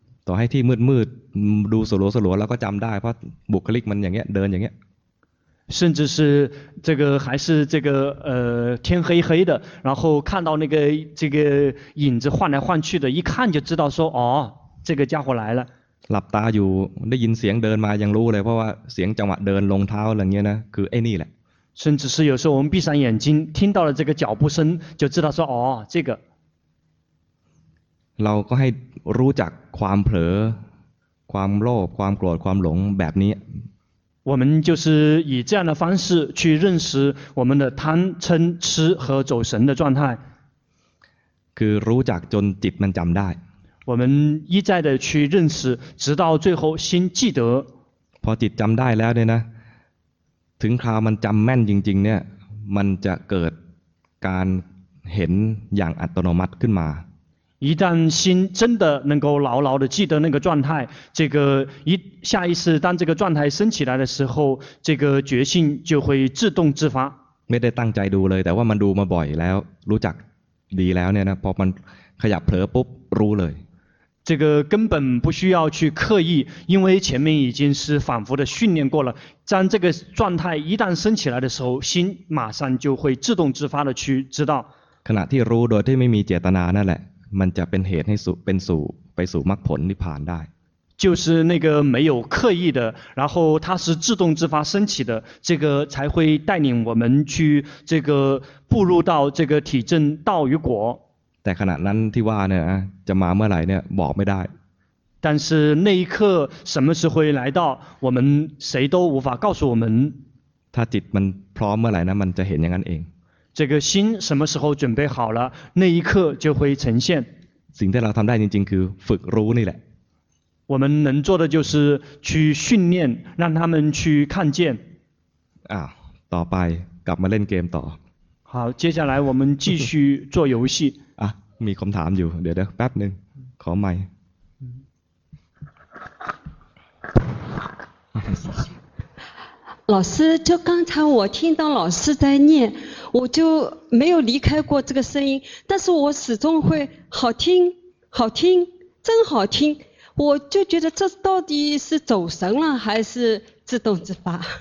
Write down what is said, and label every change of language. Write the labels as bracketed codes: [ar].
[th] ต่อให้ที่มืดมืดดูสลัวสลัวแล้วก็จำได้เพราะบุคลิกมันอย่างเงี้ยเดินอย่างเงี้ย [zh] 甚至是这个还是这个天黑黑的然后看到那个这个影子晃来晃去的一看就知道说哦这个家伙来了 [th] หลับตาอยู่ได้ยินเสียงเดินมายังรู้เลยเพราะว่าเสียงจังหวะเดินลงเท้าอะไรเงี้ยนะคือไอ้นี่แหละ [zh] 甚至是有时候我们闭上眼睛听到了这个脚步声就知道说哦这个 [th] เราก็ให้รู้จักความเผลอความโลภความโกรธความหลงแบบนี้ [zh] 我们就是以这样的方式去认识我们的贪嗔痴和走神的状态 [th] คือรู้จักจนจิตมันจําได้ [zh] 我们一再的去认识直到最后心记得 [th] พอจิตจําได้แล้วเนี่ยนะถึงคราวมันจำแม่นจริงๆเนี่ยมันจะเกิดการเห็นอย่างอัตโนมัติขึ้นมา [zh] 一旦心真的能够牢牢的记得那个状态这个一下一次当这个状态升起来的时候这个觉性就会自动自发 [th] ไม่ได้ตั้งใจดูเลยแต่ว่ามันดูมาบ่อยแล้วรู้จักดีแล้วเนี่ยนะพอมันขยับเผลอปุ๊บรู้เลย [zh] 这个根本不需要去刻意，因为前面已经是反复的训练过了，当这个状态一旦升起来的时候，心马上就会自动自发的去知道。 [th] ขณะที่รู้โดยที่ไม่มีเจตนานั่นแหละมันจะเป็นเหตุให้สู่เป็นสู่ไปสู่มรรคผลนิพพานได้ [zh] 就是那个没有刻意的，然后它是自动自发升起的，这个才会带领我们去这个步入到这个体证道与果。 [th] แต่ขณะนั้นที่ว่าเนี่ยจะมาเมื่อไหร่เนี่ยบอกไม่ได้ [zh] 但是那一刻什么时候来到我们谁都无法告诉我们 [th] ถ้าจิตมันพร้อมเมื่อไหร่นะมันจะเห็นอย่างนั้นเอง [zh] 这个心什么时候准备好了那一刻就会呈现 [th] สิ่งที่เราทำได้จริงๆคือฝึกรู้นี่แหละ [zh] 我们能做的就是去训练让他们去看见 [th] ต่อไปกลับมาเล่นเกมต่อ [zh] 好接下来我们继续做游戏 [th] มีคำถามอยู่เดี๋ยวแป๊บนึงขอไม [zh] ค์老师就刚才我听到老师在念我就没有离开过这个声音但是我始终会好听好听真好听我就觉得这到底是走神了还是自动自发